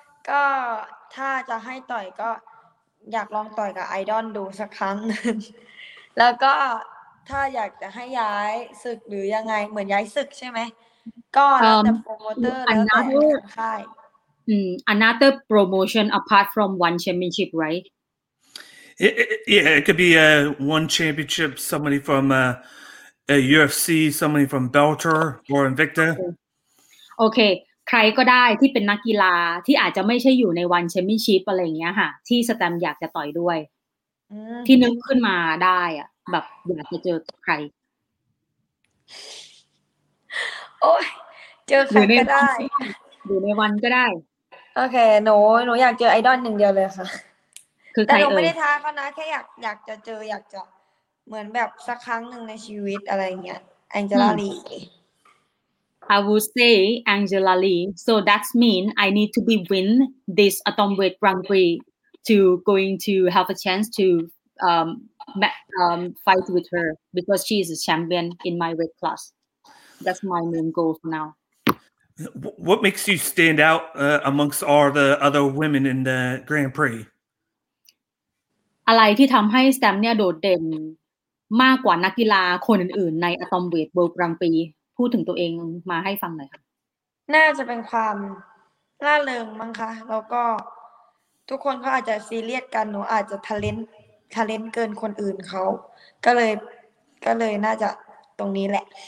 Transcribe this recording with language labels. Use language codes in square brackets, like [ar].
[th] ก็ถ้าจะให้ต่อยก็อยากลองต่อยกับไอดอลดูสักครั้งแล้วก็ถ้าอยากจะให้ย้ายศึกหรือยังไงเหมือนย้ายศึกใช่ไหมก็แล้วแต่โปรโมเตอร์แล้วแต่ใคร [en] Another promotion apart from one championship, right? Yeah, it could be one championship, somebody from a UFC, somebody from Bellator or Invicta. Okay. [th] ใครก็ได้ที่เป็นนักกีฬาที่อาจจะไม่ใช่อยู่ในวันแชมเปี้ยนชิพอะไรอย่างเงี้ยค่ะที่สแตมอยากจะต่อยด้วยที่นึกขึ้นมาได้อ่ะแบบอยากจะเจอใคร โอ้ยเจอใครก็ได้ อยู่ในวันก็ได้โอเคหนูอยากเจอไอดอลหนึ่งเดียวเลยค่ะ คือใคร แต่หนูไม่ได้ท้าเขานะแค่อยากจะเจออยากจะเหมือนแบบสักครั้งหนึ่งในชีวิตอะไรอย่างเงี้ยแองเจล่าลี [en] I would say Angela Lee. So that means I need to be win this atomweight Grand Prix to going to have a chance to fight with her because she is a champion in my weight class. That's my main goal for now. What makes you stand out amongst all the other women in the Grand Prix? [th] อะไรที่ทำให้ Stamp เนี่ยโดดเด่นมากกว่านักกีฬาคนอื่นๆใน atomweight World Grand Prixพูดถึงตัวเองมาให้ฟังหน่อยค่ะ น่าจะเป็นความร่าเริงมั้งคะแล้วก็ทุกคนเขาอาจจะซีเรียสกันหนูอาจจะทะเลนเกินคนอื่นเขาก็เลยน่าจะตรงนี้แหละ